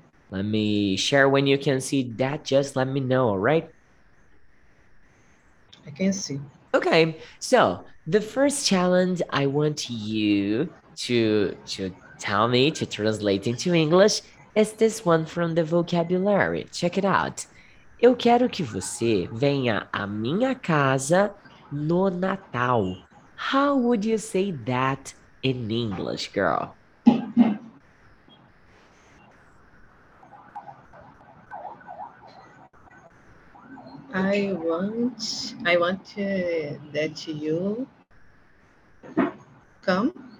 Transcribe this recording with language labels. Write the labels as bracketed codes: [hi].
[en] Let me share when you can see that. Just let me know, all right? I can see. Okay, so the first challenge I want you to tell me to translate into English is this one from the vocabulary. Check it out. [pt] Eu quero que você venha à minha casa no Natal. [en] How would you say that in English, girl? I want that you come.